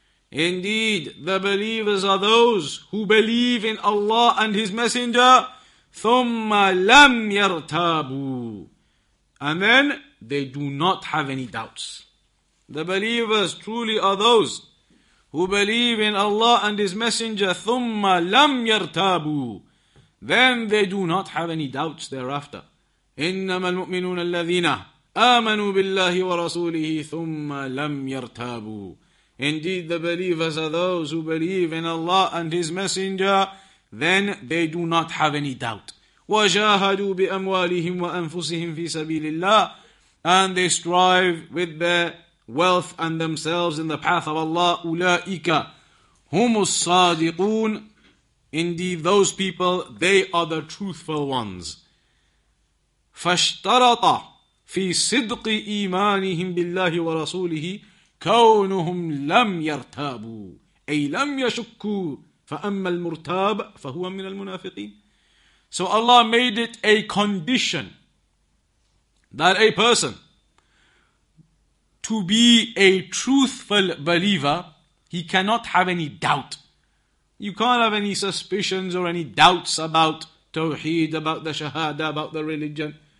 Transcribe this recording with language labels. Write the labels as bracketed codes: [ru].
[en] Indeed, the believers are those who believe in Allah and His Messenger, [ar] ثم لم يرتابوا. [en] And then they do not have any doubts. The believers truly are those who believe in Allah and His Messenger, [ar] ثم لم يرتابوا. [en] Then they do not have any doubts thereafter. [ar] إنما المؤمنون الذين آمنوا بالله ورسوله ثم لم يرتابوا. [en] Indeed, the believers are those who believe in Allah and His Messenger, then they do not have any doubt. [ar] وجاهدوا بأموالهم وأنفسهم في سبيل الله, [en] and they strive with their wealth and themselves in the path of Allah. [ar] أولئك هم الصادقون. [en] Indeed, those people, they are the truthful ones. [ar] فاشترط في صدق إيمانهم بالله ورسوله كونهم لم يرتابوا أي لم يشكوا فأما المرتاب فهو من المنافقين. [en] So Allah made it a condition that a person to be a truthful believer, he cannot have any doubt. You can't have any suspicions or any doubts about Tawheed, about the Shahada, about the religion.